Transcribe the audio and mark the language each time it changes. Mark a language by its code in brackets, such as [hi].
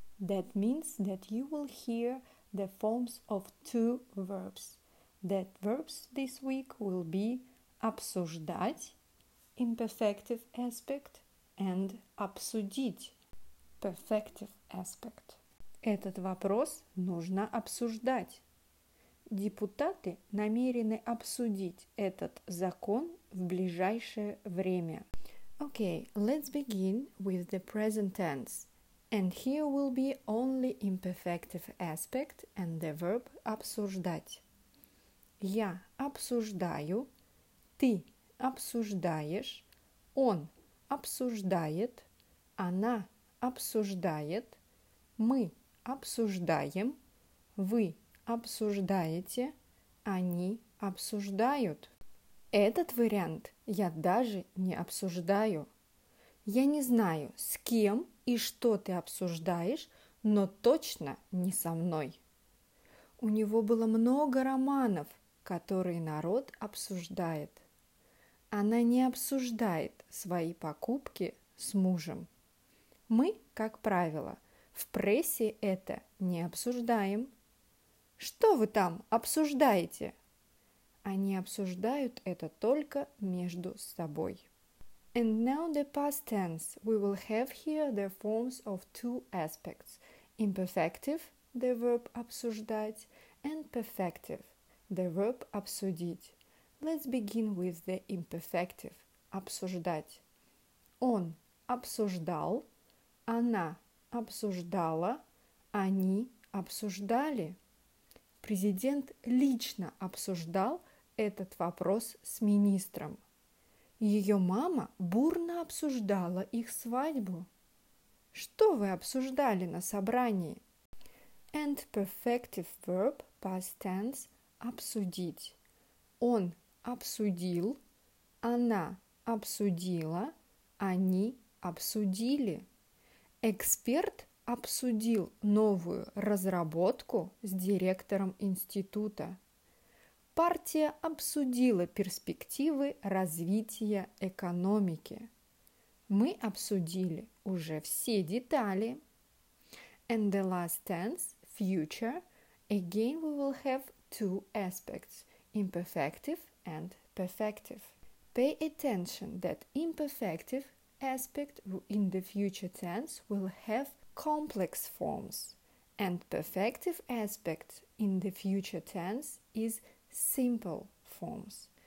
[en] That means that you will hear the forms of two verbs. That verbs this week will be обсуждать, imperfective aspect, and обсудить, perfective aspect. [ru] Этот вопрос нужно обсуждать. Депутаты намерены обсудить этот закон в ближайшее время. [en] Okay, let's begin with the present tense. And here will be only imperfective aspect and the verb обсуждать. [ru] Я обсуждаю, ты обсуждаешь, он обсуждает, она обсуждает, мы обсуждаем, вы обсуждаете, они обсуждают. Этот вариант я даже не обсуждаю. Я не знаю, с кем и что ты обсуждаешь, но точно не со мной. У него было много романов, который народ обсуждает. Она не обсуждает свои покупки с мужем. Мы, как правило, в прессе это не обсуждаем. Что вы там обсуждаете? Они обсуждают это только между собой. [en] And now the past tense. We will have here the forms of two aspects. Imperfective, the verb обсуждать, and perfective. The verb обсудить. Let's begin with the imperfective. [ru] Обсуждать. Он обсуждал, она обсуждала, они обсуждали. Президент лично обсуждал этот вопрос с министром. Ее мама бурно обсуждала их свадьбу. Что вы обсуждали на собрании? [en] And perfective verb, past tense, обсудить. [ru] Он обсудил, она обсудила, они обсудили. Эксперт обсудил новую разработку с директором института. Партия обсудила перспективы развития экономики. Мы обсудили уже все детали. [en] And the last tense, future, again we will have two aspects, imperfective and perfective. Pay attention that imperfective aspect in the future tense will have complex forms, and perfective aspect in the future tense is simple forms.